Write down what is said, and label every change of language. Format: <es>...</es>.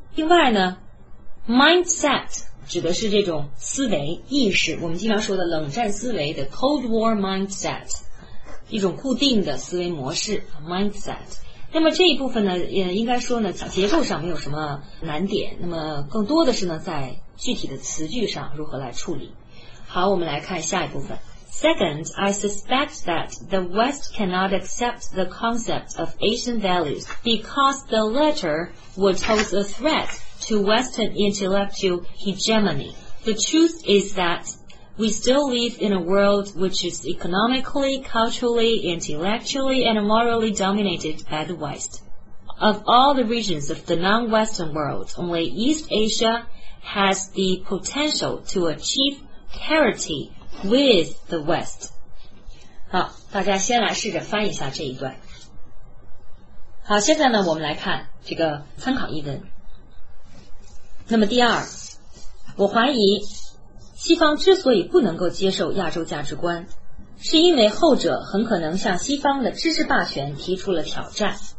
<zh>另外呢Mindset 指的是这种思维意识，我们经常说的冷战思维的</zh> <en>Cold War Mindset，</en> <zh>一种固定的思维模式 Mindset。那么这一部分呢也应该说呢结构上没有什么难点，那么更多的是呢在具体的词句上如何来处理。好，我们来看下一部分。</zh> <en>Second, I suspect that the West cannot accept the concept of Asian values because the latter would pose a threatTo Western intellectual hegemony. The truth is that we still live in a world which is economically, culturally, intellectually, and morally dominated by the West. Of all the regions of the non-Western world, only East Asia has the potential to achieve parity with the West.</en> <zh>好，大家先来试着翻译一下这一段。好，现在呢，我们来看这个参考译文。那么第二，我怀疑西方之所以不能够接受亚洲价值观，是因为后者很可能向西方的知识霸权提出了挑战。</zh>